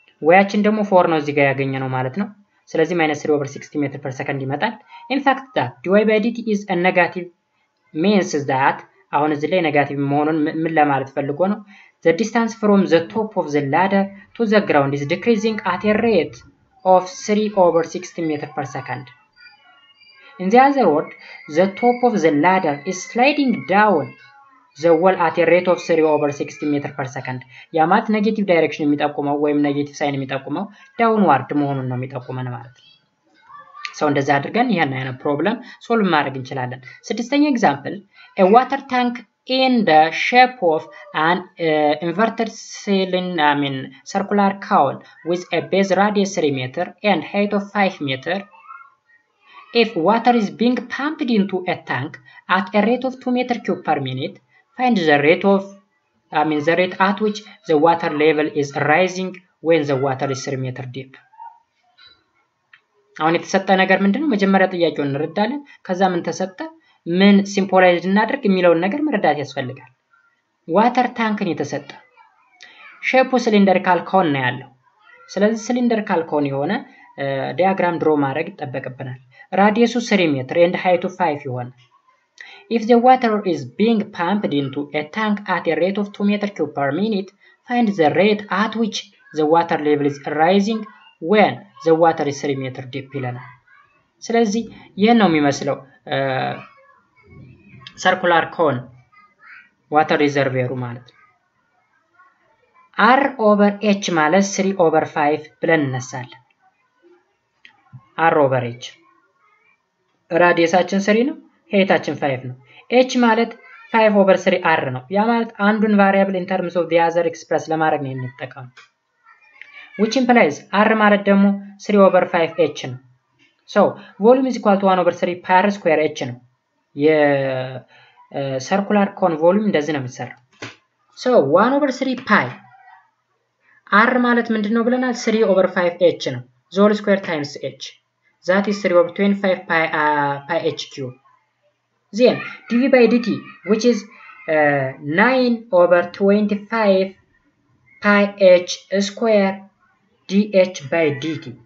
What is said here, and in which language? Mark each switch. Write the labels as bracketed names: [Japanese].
[Amharic] y አችን ደግሞ 4 ነው እዚህ ጋር ያገኘነው ማለት ነው ስለዚህ [English] minus 3 over 60 meter per second [Amharic] ይመጣል [English] in fact that dy by dt is a negative means that [Amharic] አሁን እዚህ ላይ ነጋቲቭ መሆኑን ምን ለማለት ፈልጎ ነው [English] the distance from the top of the ladder to the ground is decreasing at a rate of 3 over 60 meter per second. In the other word, the top of the ladder is sliding down the wall at a rate of 3 over 60 meter per second. [Amharic] ያ ማለት ኔጌቲቭ ዳይሬክሽን የሚጠቁመው ወይም ኔጌቲቭ ሳይን የሚጠቁመው ዳውንዋርድ መሆኑን ነው የሚጠቁመን ማለት ነው። ሰው እንደዛ አድርገን ይሄን አይነት ፕሮብለም ሶልቭ ማድረግ እንችላለን። ስድስተኛ ኤግዛምፕል [English] a water tank in the shape of an inverted cylinder, I mean circular cone with a base radius 3 meter and height of 5 meter. If water is being pumped into a tank at a rate of 2 meter cube per minute, find the rate of, the rate at which the water level is rising when the water is 3 meter deep. [Amharic] አሁን የተሰጠ ነገር ምንድነው? መጀመሪያ ጥያቄውን እንረዳለን። ከዛ ምን ተሰጠ? ምን ሲምፖላይዝድ እናድርግ የሚለውን ነገር መረዳት ያስፈልጋል ዋተር ታንክን የተሰጠ ሼፑ ሲሊንደሪካል ኮን ነው ያለው ስለዚህ ሲሊንደሪካል ኮን የሆነ ዳያግራም ድሮ ማድረግ ይጠበቅብናል ራዲየሱ 3 ሜትር ኤንድ ሃይቱ 5 ይሆን [English] if the water is being pumped into a tank at a rate of 2 meter cube per minute find the rate at which the water level is rising when the water is 3 meter deep [Amharic] ይለናል ስለዚህ ይሄን ነው የሚመስለው [English] circular cone water reservoir ማለት r over h ማለት 3 over 5 [Amharic] ብለን እናሳለን [English] r over h radiusአችን 3 ነው heightአችን 5 ነው h ማለት 5 over 3 r ነው [Amharic] ያ ማለት [English] አንዱን variable in terms of the other express [Amharic] ለማድረግ ነው እንጠቀመው [English] which implies r [Amharic] ማለት ደግሞ [English] 3 over 5 h ነው. So volume is equal to 1 over 3 pi r square h ነው. [Amharic] የሰርኩላር ኮን ቮሉም እንደዚህ ነው የሚሰራ. [English] So 1 over 3 pi r [Amharic] ማለት ምንድነው ብለናል? [English] 3 over 5 h ነው. whole square times h. That is 3 over 25 pi pi h cube. Then dv by dt, which is 9 over 25 pi h square dh by dt.